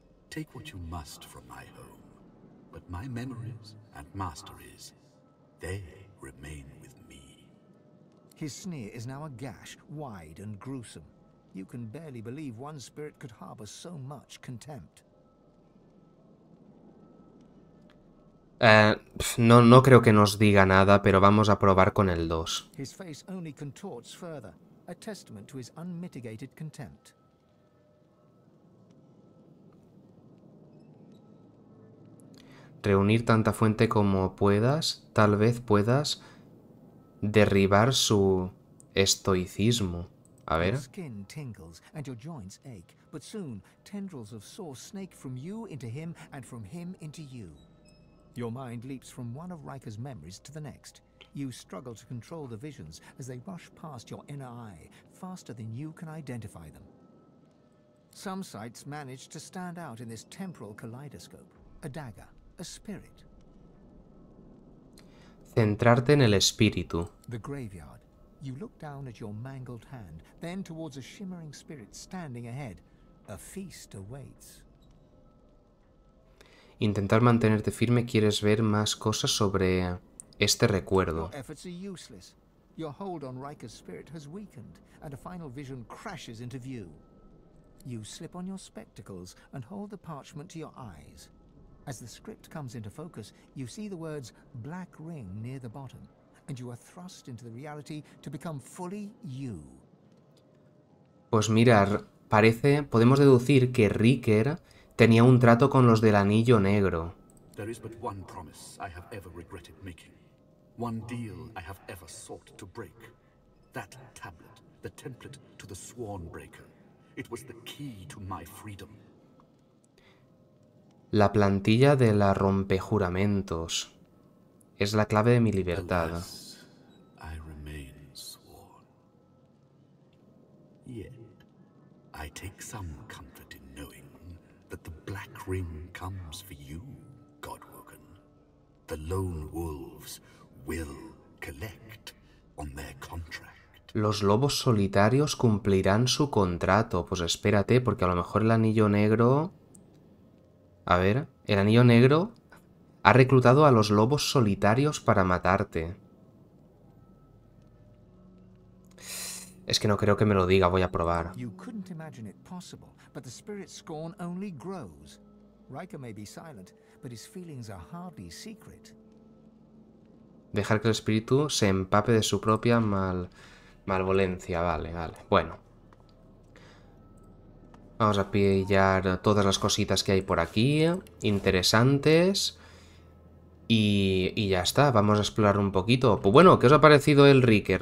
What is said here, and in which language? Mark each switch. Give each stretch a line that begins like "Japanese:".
English: Take what you must from my home, but my memories and masteries, they remain with me. His sneer is now a gash, wide and gruesome. You can barely believe one spirit could harbor so much contempt.
Spanish: No creo que nos diga nada, pero vamos a probar con el 2.
English: His face only contorts further, a testament to his unmitigated contempt.
Spanish: Reunir tanta fuente como puedas, tal vez puedas derribar su estoicismo. A ver.
English: Your skin tingles and your joints ache, but soon tendrils of source snake from you into him and from him into you. Your mind leaps from one of Riker's memories to the next. You struggle to control the visions as they rush past your inner eye, faster than you can identify them. Some sights manage to stand out in this temporal kaleidoscope. A dagger, a spirit.
Spanish: Centrarte en el espíritu.
English: The graveyard. You look down at your mangled hand, then towards a shimmering spirit standing ahead. A feast awaits.
Spanish: Intentar mantenerte firme, quieres ver más cosas sobre este recuerdo.
English: Your efforts are useless. Your hold on Riker's spirit has weakened, and a final vision crashes into view. You slip on your spectacles and hold the parchment to your eyes. As the script comes into focus, you see the words Black Ring near the bottom, and you are thrust into the reality to become fully you.
Spanish: Pues mira, parece, podemos deducir que Riker tenía un trato con los del Anillo Negro.
English: There is but one promise I have ever regretted making. One deal I have ever sought to break. That tablet, the template to the Sworn Breaker. It was the key to my freedom.
Spanish: La plantilla de la rompejuramentos es la clave de mi libertad.
English: Alas, I remain sworn. Yet, I take some comfort in knowing that the Black Ring comes for you, Godwoken. The lone wolves will collect on their contract.
Spanish: Los lobos solitarios cumplirán su contrato. Pues espérate, porque a lo mejor el Anillo Negro... A ver, el Anillo Negro ha reclutado a los lobos solitarios para matarte. Es que no creo que me lo diga, voy a probar.
English: You couldn't imagine it possible, but the spirit scorn only grows. Riker may be silent, but his feelings are hardly secret.
Spanish: Dejar que el espíritu se empape de su propia malvolencia, vale. Bueno. Vamos a pillar todas las cositas que hay por aquí, interesantes. Y ya está, vamos a explorar un poquito. Pues bueno, ¿qué os ha parecido el Riker?